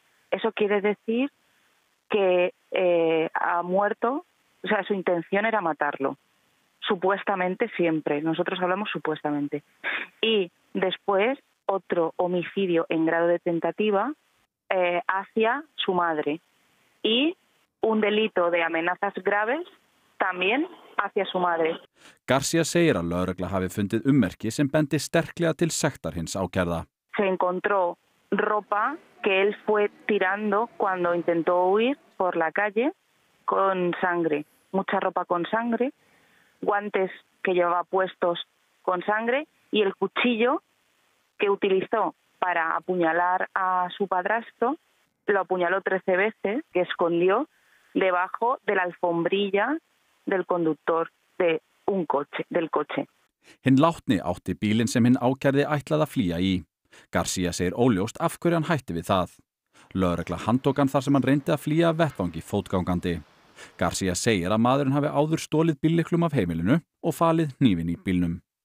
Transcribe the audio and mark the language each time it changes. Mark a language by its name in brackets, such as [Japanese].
[Spanish] Eso quiere decir que ha muerto, o sea, su intención era matarlo, supuestamente siempre, nosotros hablamos supuestamente. Y después otro homicidio en grado de tentativa hacia su madre y un delito de amenazas graves también hacia su madre. [Icelandic] García segir að lögregla hafi fundið ummerki sem bendi sterklega til sektar hins ákærða. [Spanish] Se encontró ropa que él fue tirando cuando intentó huir por la calle con sangre, mucha ropa con sangre, guantes que llevaba puestos con sangre y el cuchillo que utilizó para apuñalar a su padrastro, lo apuñaló 13 veces, que escondió debajo de la alfombrilla del conductor de un coche, del coche. [Icelandic] Hinn látni átti bílinn sem hinn ákærði ætlaði að flýja í. García segir óljóst af hverju hann hætti við það. Lögregla handtók hann þar sem hann reyndi að flýja vettvangi fótgangandi. García segir að maðurinn hafi áður stolið bíllyklum af heimilinu og falið hnífinn í bílnum.